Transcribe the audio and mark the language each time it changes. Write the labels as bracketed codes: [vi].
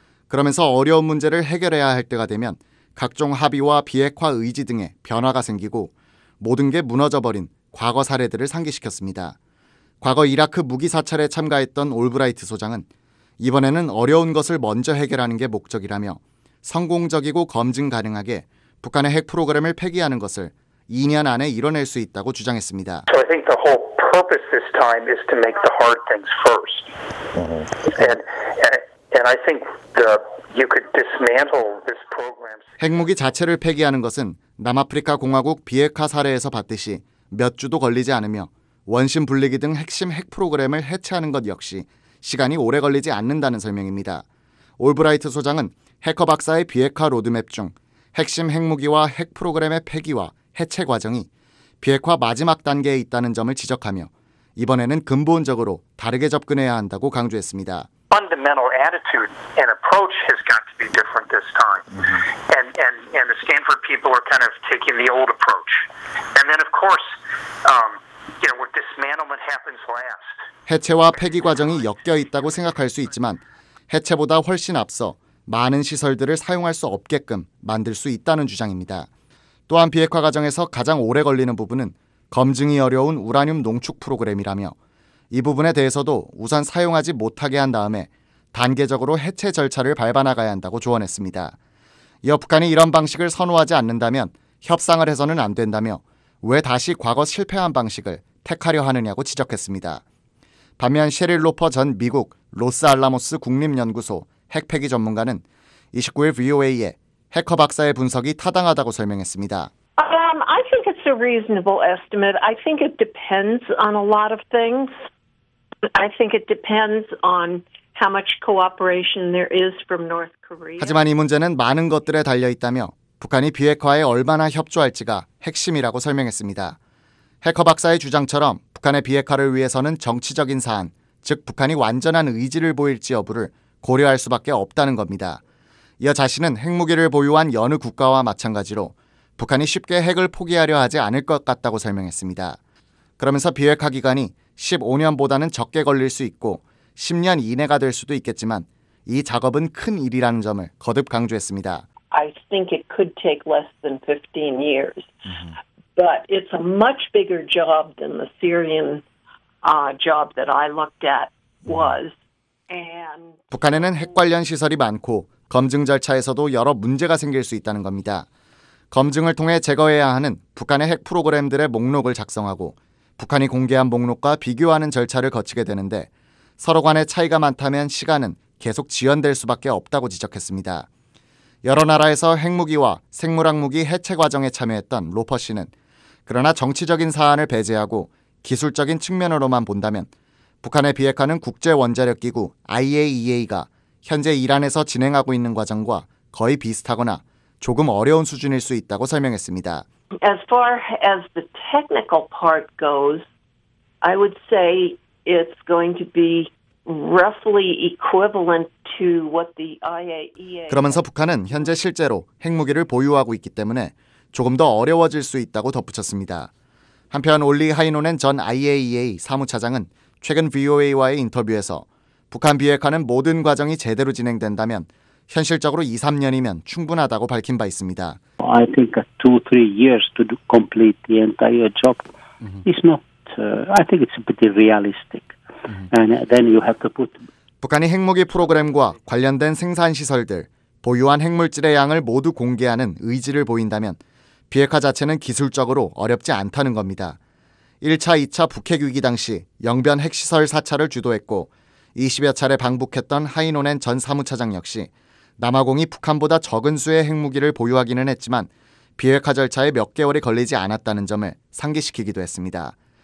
[ko] 그러면서 어려운 문제를 해결해야 할 때가 되면 각종 합의와 비핵화 의지 등에 변화가 생기고 모든 게 무너져버린 과거 사례들을 상기시켰습니다. 과거 이라크 무기 사찰에 참가했던 올브라이트 소장은 이번에는 어려운 것을 먼저 해결하는 게 목적이라며 성공적이고 검증 가능하게 북한의 핵 프로그램을 폐기하는 것을 2년 안에 이뤄낼 수 있다고 주장했습니다. [en] So I think the whole purpose this time is to make the hard things first. And I think you could dismantle this program. [ko] 핵무기 자체를 폐기하는 것은 남아프리카 공화국 비핵화 사례에서 봤듯이 몇 주도 걸리지 않으며 원심 분리기 등 핵심 핵 프로그램을 해체하는 것 역시 시간이 오래 걸리지 않는다는 설명입니다. 올브라이트 소장은 해커 박사의 비핵화 로드맵 중 핵심 핵무기와 핵 프로그램의 폐기와 해체 과정이 비핵화 마지막 단계에 있다는 점을 지적하며 이번에는 근본적으로 다르게 접근해야 한다고 강조했습니다. [en] Fundamental attitude and approach has got to be different this time. And the Stanford people are kind of taking the old approach. And then of course, you know, what dismantlement happens last. [ko] 해체와 폐기 과정이 엮여 있다고 생각할 수 있지만 해체보다 훨씬 앞서 많은 시설들을 사용할 수 없게끔 만들 수 있다는 주장입니다. 또한 비핵화 과정에서 가장 오래 걸리는 부분은 검증이 어려운 우라늄 농축 프로그램이라며 이 부분에 대해서도 우선 사용하지 못하게 한 다음에 단계적으로 해체 절차를 밟아나가야 한다고 조언했습니다. 이어 북한이 이런 방식을 선호하지 않는다면 협상을 해서는 안 된다며 왜 다시 과거 실패한 방식을 택하려 하느냐고 지적했습니다. 반면 셰릴 로퍼 전 미국 로스알라모스 국립연구소 핵폐기 전문가는 29일 VOA에 해커 박사의 분석이 타당하다고 설명했습니다. [en] I think it's a reasonable estimate. I think it depends on a lot of things. I think it depends on how much cooperation there is from North Korea. [ko] 하지만 이 문제는 많은 것들에 달려 있다며 북한이 비핵화에 얼마나 협조할지가 핵심이라고 설명했습니다. 해커 박사의 주장처럼 북한의 비핵화를 위해서는 정치적인 사안, 즉 북한이 완전한 의지를 보일지 여부를 고려할 수밖에 없다는 겁니다. 이어 자신은 핵무기를 보유한 여느 국가와 마찬가지로 북한이 쉽게 핵을 포기하려 하지 않을 것 같다고 설명했습니다. 그러면서 비핵화 기간이 15년보다는 적게 걸릴 수 있고 10년 이내가 될 수도 있겠지만 이 작업은 큰 일이라는 점을 거듭 강조했습니다. [en] I think it could take less than 15 years. But it's a much bigger job than the Syrian job that I looked at was. [ko] 북한에는 핵 관련 시설이 많고 검증 절차에서도 여러 문제가 생길 수 있다는 겁니다. 검증을 통해 제거해야 하는 북한의 핵 프로그램들의 목록을 작성하고 북한이 공개한 목록과 비교하는 절차를 거치게 되는데 서로 간의 차이가 많다면 시간은 계속 지연될 수밖에 없다고 지적했습니다. 여러 나라에서 핵무기와 생물학무기 해체 과정에 참여했던 로퍼 씨는 그러나 정치적인 사안을 배제하고 기술적인 측면으로만 본다면 북한의 비핵화는 국제원자력기구 IAEA가 현재 이란에서 진행하고 있는 과정과 거의 비슷하거나 조금 어려운 수준일 수 있다고 설명했습니다. [en] As far as the technical part goes, I would say it's going to be roughly equivalent to what the IAEA. [ko] 그러면서 북한은 현재 실제로 핵무기를 보유하고 있기 때문에 조금 더 어려워질 수 있다고 덧붙였습니다. 한편 올리 하이노넨 전 IAEA 사무차장은 최근 VOA와의 인터뷰에서 북한 비핵화는 모든 과정이 제대로 진행된다면 현실적으로 2, 3년이면 충분하다고 밝힌 바 있습니다. [en] I think 2-3 years to complete the entire job is not. I think it's a bit realistic. And then you have to put. [ko] 북한이 핵무기 프로그램과 관련된 생산 시설들, 보유한 핵물질의 양을 모두 공개하는 의지를 보인다면 비핵화 자체는 기술적으로 어렵지 않다는 겁니다. 1차, 2차 북핵 위기 당시 영변 핵시설 4차를 주도했고 20여 차례 방북했던 하이노넨 전 사무차장 역시 남아공이 북한보다 적은 수의 핵무기를 보유하기는 했지만 비핵화 절차에 몇 개월이 걸리지 않았다는 점을 상기시키기도 했습니다.